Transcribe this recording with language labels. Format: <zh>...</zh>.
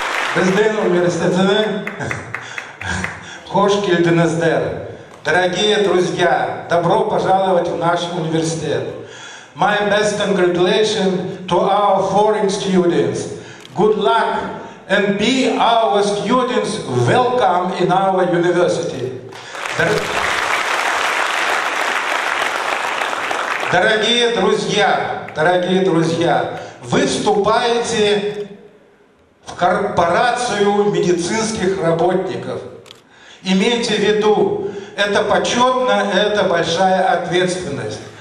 <kk>Біздің университетіне қош келдіңіздер.</kk> <ru>Дорогие друзья, добро пожаловать в наш университет.</ru> <en>My best congratulations to our foreign students. Good luck and be our students welcome in our university.</en> <ru>дорогие друзья, вы вступаете в корпорацию медицинских работников. Имейте в виду, это почетно, это большая ответственность.</ru>